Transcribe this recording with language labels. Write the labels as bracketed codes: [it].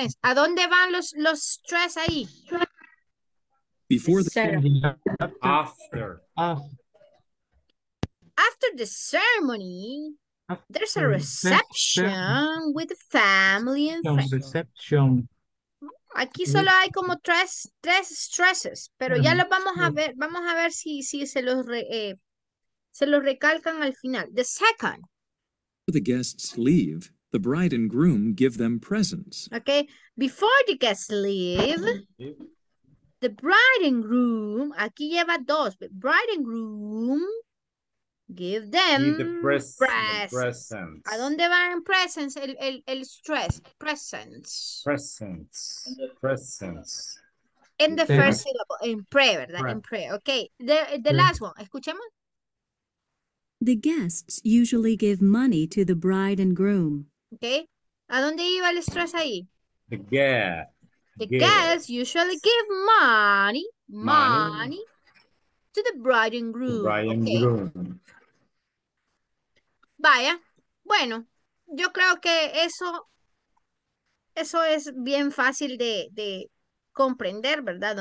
[es] ¿A dónde van los stress ahí? [en] Before the ceremony. After the ceremony, there's a reception with family and friends. Reception. [es] Aquí solo hay como tres stresses, pero ya los vamos a ver. Vamos a ver si se los recalcan al final. [en] The second. Before the guests leave, the bride and groom give them presents. Okay, before the guests leave, the bride and groom, [es] aquí lleva dos, [en] but bride and groom give them presents. [es] ¿A dónde van presents? El stress, presents. [en] Presents. In the first syllable, in pre, ¿verdad? In pre, okay. The last one, [es] escuchemos. [en] The guests usually give money to the bride and groom. [es] Okay. ¿A dónde iba el stress ahí? [en] The guests usually give money to the bride and groom. [es] Vaya. Bueno, yo creo que eso es bien fácil de comprender, ¿verdad?